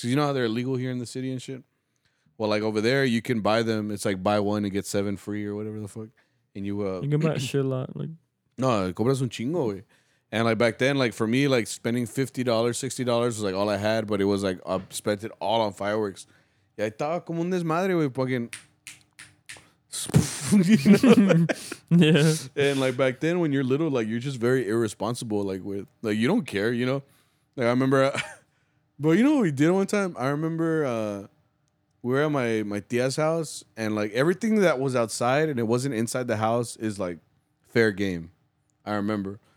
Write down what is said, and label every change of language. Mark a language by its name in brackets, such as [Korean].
[English] Cause you know how they're illegal here in the city and shit. Well, like over there, you can buy them. It's like buy one and get seven free or whatever the fuck. And you can buy shit a lot. Like, [Spanish] no, cobras un chingo, wey. [English] And, like, back then, like, for me, like, spending $50, $60 was, like, all I had. But it was, like, I spent it all on fireworks. [Spanish] Y ahí estaba como un desmadre, güey, fucking. [English] You know? Yeah. And, like, back then, when you're little, like, you're just very irresponsible, like, with. Like, you don't care, you know? Like, I remember. But you know what we did one time? I remember we were at my tia's house. And, like, everything that was outside and it wasn't inside the house is, like, fair game. I remember.